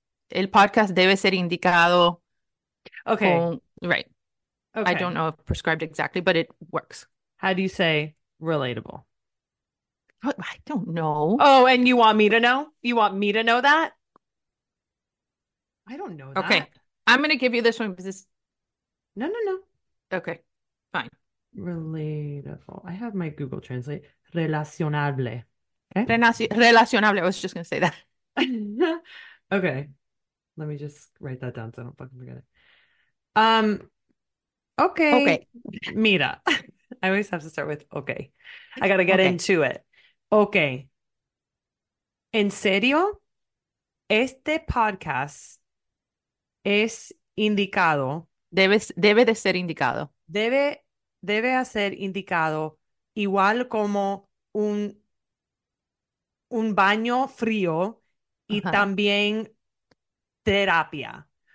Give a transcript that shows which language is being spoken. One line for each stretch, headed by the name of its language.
Spanish: El podcast debe ser indicado.
English: Okay. Right. Okay. I don't know if prescribed exactly, but it works. How do you say relatable? I don't know. Oh, and you want me to know? You want me to know that? I don't know that. Okay. I'm going to give you this one. No. Okay. Fine. Relatable. I have my Google Translate. Relacionable. Okay. Relacionable. I was just going to say that. Okay. Let me just write that down so I don't fucking forget it. Okay. Mira. I always have to start with okay. I got to get into it. Okay.
Spanish: En serio, este podcast es indicado. Debe de ser indicado. Debe ser indicado igual como un baño frío y también terapia.